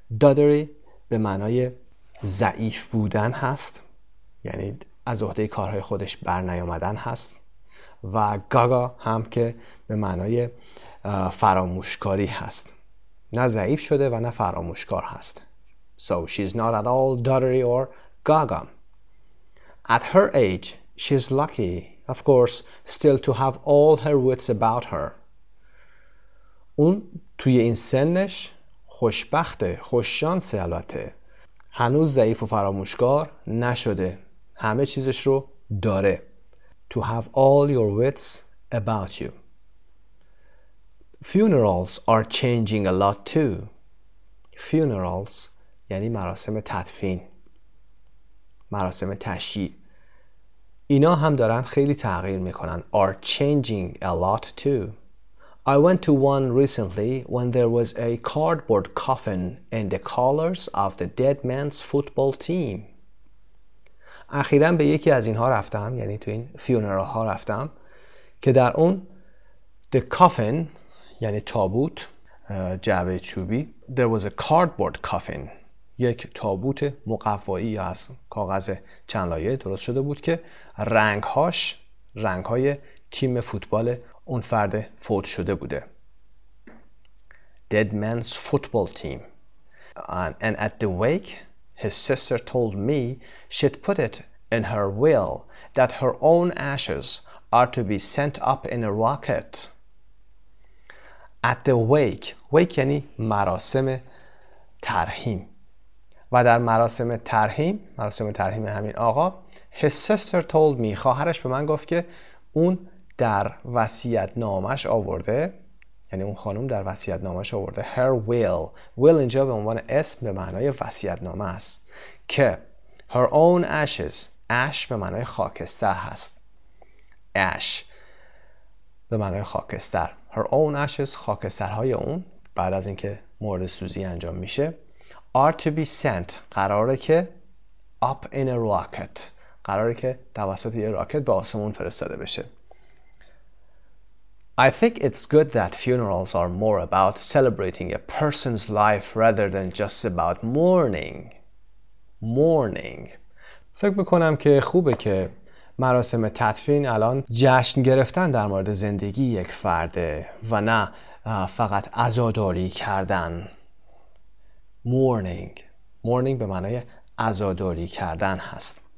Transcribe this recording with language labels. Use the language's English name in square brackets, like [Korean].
[Persian] Doddery به معنای ضعیف بودن هست. یعنی از عهده کارهای خودش بر نیامدن هست. و گاگا هم که به معنای فراموشکاری هست. نه ضعیف شده و نه فراموشکار هست. [English] So she's not at all doddery or gaga. At her age, she's lucky, of course, still to have all her wits about her. [Persian] اون توی این سنش خوشبخته، خوششانسه البته. هنوز ضعیف و فراموشکار نشده. همه چیزش رو داره. [English] To have all your wits about you. Funerals are changing a lot too. Funerals [Persian] یعنی مراسم تدفین. مراسم تشییع. اینا هم دارن خیلی تغییر میکنن. [English] Are changing a lot too. I went to one recently when there was a cardboard coffin in the colors of the dead man's football team. [Persian] اخیراً به یکی از اینها رفتم، یعنی تو این فیونرال ها رفتم، که در اون the coffin یعنی تابوت، جعبه چوبی، [English] there was a cardboard coffin، [Persian] یک تابوت مقوایی از کاغذ چند لایه درست شده بود که رنگهاش رنگهای تیم فوتبال اون فرد فوت شده بوده. [English] Dead man's football team. And at the wake, his sister told me she'd put it in her will that her own ashes are to be sent up in a rocket. At the wake. Wake [Persian] یعنی مراسم ترحیم. و در مراسم ترحیم، مراسم ترحیم همین آقا، [English] his sister told me، [Persian] خواهرش به من گفت که اون در وصیت نامش آورده، یعنی اون خانم در وصیت نامش آورده، her will، will اینجا به عنوان اسم به معنای وصیت نامه است، که [English] her own ashes، [Persian] ash به معنای خاکستر هست، ash به معنای خاکستر، [English] her own ashes، [Persian] خاکسترهای اون بعد از اینکه مرده سوزی انجام میشه، [English] are to be sent، [Persian] قراره که [English] up in a rocket، [Persian] قراره که توسط یه راکت به آسمون فرستاده بشه. [English] I think it's good that funerals are more about celebrating a person's life rather than just about mourning. Mourning. [Persian] فکر میکنم که خوبه که مراسم تدفین الان جشن گرفتن در مورد زندگی یک فرده و نه فقط عزاداری کردن. [English] Mourning. [Persian] Mourning به معنای عزاداری کردن هست.